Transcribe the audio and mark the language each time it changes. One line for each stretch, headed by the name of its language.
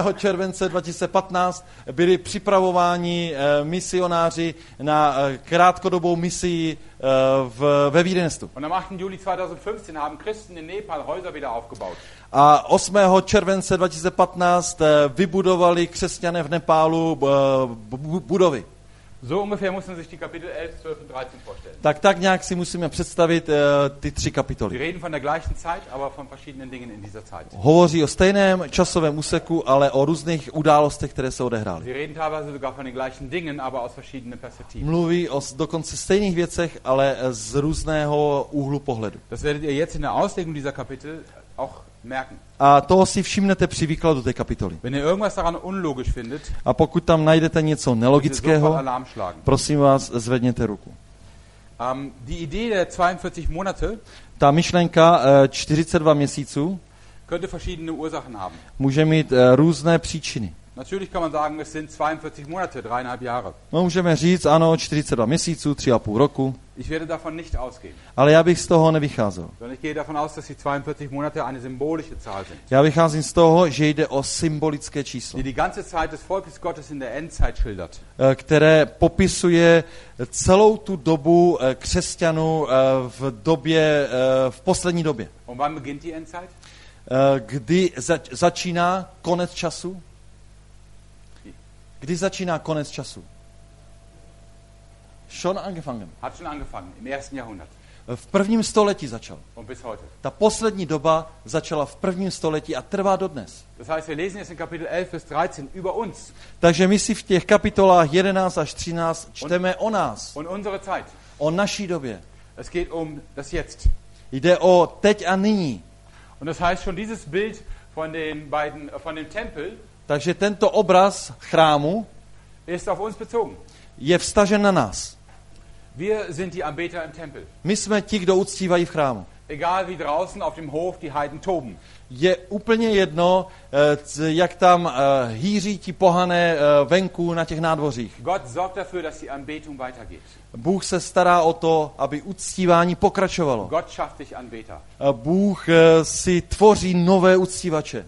Czech: července 2015 byli připravováni misionáři na krátkodobou misi ve Vídeňstvu.
German: Und am 8. Juli 2015 haben Christen in Nepal Häuser wieder aufgebaut.
Czech: A 8. července 2015 vybudovali křesťané v Nepálu budovy.
German: So ungefähr muss man sich die Kapitel 11, 12 und 13 vorstellen.
Czech: Tak nějak si musíme představit ty tři kapitoly.
German: Wir reden von der gleichen Zeit, aber von verschiedenen Dingen in dieser Zeit.
Czech: Hovoří o stejném časovém úseku, ale o různých událostech, které se odehrály.
German: Wir reden teilweise sogar von den gleichen Dingen, aber aus verschiedenen Perspektiven.
Czech: Mluví o dokonce stejných věcech, ale z různého úhlu pohledu.
German: Das werdet ihr jetzt in der Auslegung dieser Kapitel auch merken.
Czech: A toho si všimnete při výkladu té kapitoly.
German: Wenn ihr irgendwas daran unlogisch findet,
Czech: a pokud tam najdete něco nelogického, prosím vás, zvedněte ruku.
German: Die Idee der 42 Monate,
Czech: ta myšlenka 42 měsíců
German: könnte verschiedene Ursachen haben.
Czech: Může mít různé příčiny.
German: Natürlich kann man sagen, es sind 42 Monate, 3,5 Jahre.
Czech: No, můžeme říct, ano, 42 měsíců, 3,5 roku.
German: Ich werde davon nicht ausgehen.
Czech: Ale já bych z toho nevycházel.
German: Sondern ich gehe davon aus, dass die 42 Monate eine symbolische Zahl sind.
Czech: Já vycházím z toho, že jde o symbolické číslo.
German: Die ganze Zeit des Volkes Gottes in der Endzeit schildert.
Czech: Které popisuje celou tu dobu křesťanů v době, v poslední době.
German: Und wann beginnt die Endzeit?
Czech: Kdy začíná konec času? Kdy začíná konec času?
German: Schon angefangen. Hat schon angefangen im ersten Jahrhundert.
Czech: V prvním století začal.
German: Und bis heute.
Czech: Ta poslední doba začala v prvním století a trvá dodnes.
German: Das heißt, wir lesen jetzt in Kapitel 11 bis 13 über uns.
Czech: Takže my si v těch kapitolách 11 až 13 čteme
German: und,
Czech: o nás.
German: Und unsere Zeit.
Czech: O naší době.
German: Es geht um das jetzt.
Czech: Jde o teď a nyní.
German: Und das heißt schon dieses Bild von den beiden von dem Tempel.
Czech: Takže tento obraz chrámu
German: ist auf uns bezogen.
Czech: Je vztažen na nás.
German: Wir sind die Anbeter im Tempel.
Czech: My jsme ti, kdo uctívají v chrámu.
German: Egal wie draußen auf dem Hof die Heiden toben.
Czech: Je úplně jedno, jak tam hýří ti pohané venku na těch nádvořích.
German: Gott sorgt dafür, dass die Anbetung weitergeht.
Czech: Bůh se stará o to, aby uctívání pokračovalo.
German: Gott schafft dich Anbeter.
Czech: Bůh si tvoří nové uctívače.